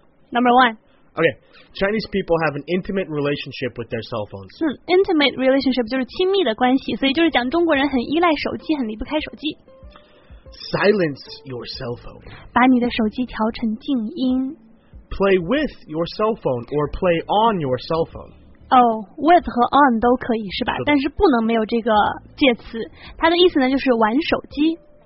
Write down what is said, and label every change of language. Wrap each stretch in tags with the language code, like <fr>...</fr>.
<en>Number one. Okay, Chinese people have an intimate relationship with their cell phones.</en> <zh>Intimate relationship 就是亲密的关系，所以就是讲中国人很依赖手机，很离不开手机。</zh> <en>Silence your cell phone.</en> <zh>把你的手机调成静音。</zh> <en>Play with your cell phone or play on your cell phone.</en> <zh>Oh, with 和 on 都可以是吧？但是不能没有这个介词。它的意思呢就是玩手机。</zh>